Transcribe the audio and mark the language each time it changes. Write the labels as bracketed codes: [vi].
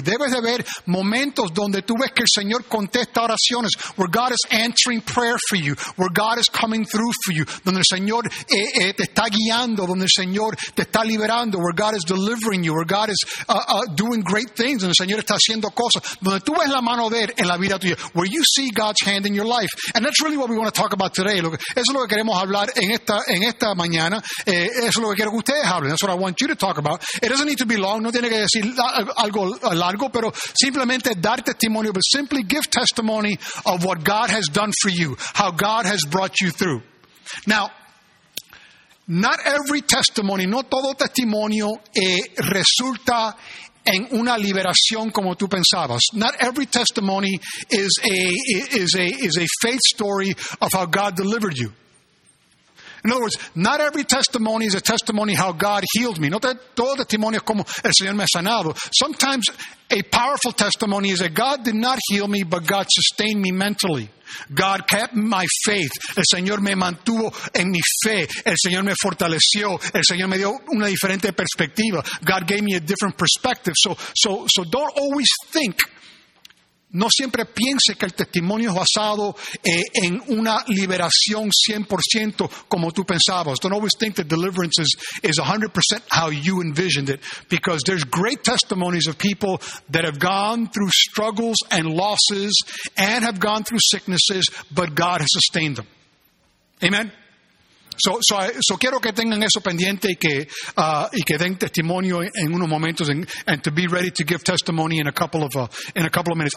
[es] Debes de ver momentos donde tú ves que el Señor contesta oraciones, [en] where God is answering prayer for you, where God is coming through for you, [es] donde el Señor te está guiando, donde el Señor te está liberando, [en] where God is delivering you, where God is doing great things, [es] donde el Señor está haciendo cosas, donde tú ves la mano de él en la vida tuya, [en] where you see God's hand in your life. And that's really what we want to talk about today. [es] Eso es lo que queremos hablar en esta mañana. Eso es lo que quiero que ustedes hablen. [en] That's what I want you to talk about. It doesn't need to be long. [es] No tiene que decir algo largo, pero simplemente dar testimonio, [en] but simply give testimony of what God has done for you, how God has brought you through. Now, not every testimony, [es] no todo testimonio resulta en una liberación como tú pensabas. [en] Not every testimony is a faith story of how God delivered you. In other words, not every testimony is a testimony how God healed me. [es] No todo testimonio es como el Señor me ha sanado. [en] Sometimes a powerful testimony is that God did not heal me, but God sustained me mentally. God kept my faith. [es] El Señor me mantuvo en mi fe. El Señor me fortaleció. El Señor me dio una diferente perspectiva. [en] God gave me a different perspective. So don't always think. [es] No siempre piense que el testimonio es basado en una liberación 100% como tú pensabas. [en] Don't always think that deliverance is 100% how you envisioned it. Because there's great testimonies of people that have gone through struggles and losses and have gone through sicknesses, but God has sustained them. [es] Amen? So quiero que tengan eso pendiente y que den testimonio en unos momentos [en] and to be ready to give testimony in a couple of minutes.